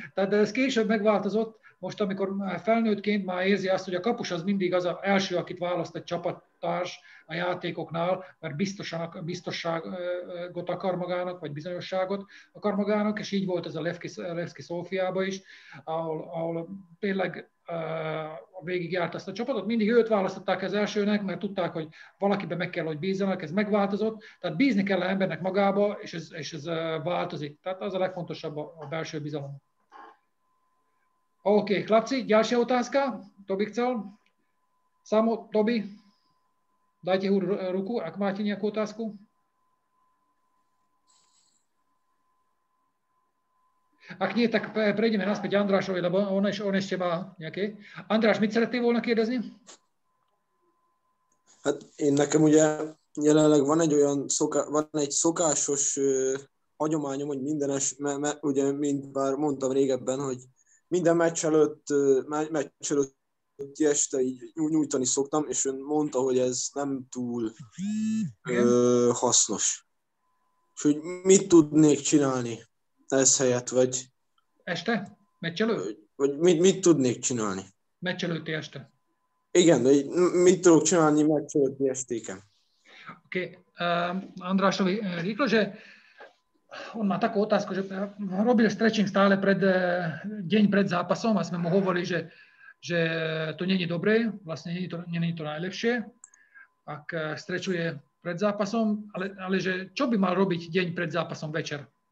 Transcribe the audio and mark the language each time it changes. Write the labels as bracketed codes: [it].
[hu] Tehát ez később megváltozott, most amikor felnőttként már érzi azt, hogy a kapus az mindig az a első, akit választ egy csapattárs a játékoknál, mert biztosságot akar magának, vagy bizonyosságot akar magának, és így volt ez a Levski Szófiában is, ahol tényleg végigjárt ezt a csapatot. Mindig őt választották az elsőnek, mert tudták, hogy valakiben meg kell, hogy bízzanak, ez megváltozott. Tehát bízni kell a embernek magába, és ez változik. Tehát az a legfontosabb a belső bizalom. [sk] OK, chlapci, ďalšia otázka. Toby chcel. Samo, Toby, dajte ho ruku, ak máte nejakú otázku. Ak nie, tak prejdeme naspäť Andrášovi, lebo on ešte má nejaké. [hu] Andráš, mi [sk] chcete voľna [hu] kérdezni? Hát, én nekem ugye jelenleg van egy szokásos hagyományom, hogy mindenes, mert ugye, mint már mondtam régebben, hogy minden meccs előtti este így nyújtani szoktam, és ön mondta, hogy ez nem túl hasznos. És hogy mit tudnék csinálni ez helyett, vagy... Este? Meccs előtt? Vagy mit tudnék csinálni? Meccs előtti este? Igen, de mit tudok csinálni meccs előtti estéken? [sk] Oké, Andrásovi rýchlo, že... On má takú otázku, že robil stretching stále deň pred zápasom a sme mu hovorili, že to nie je dobré, vlastne nie je to najlepšie, ak strečuje pred zápasom, ale že čo by mal robiť deň pred zápasom večer?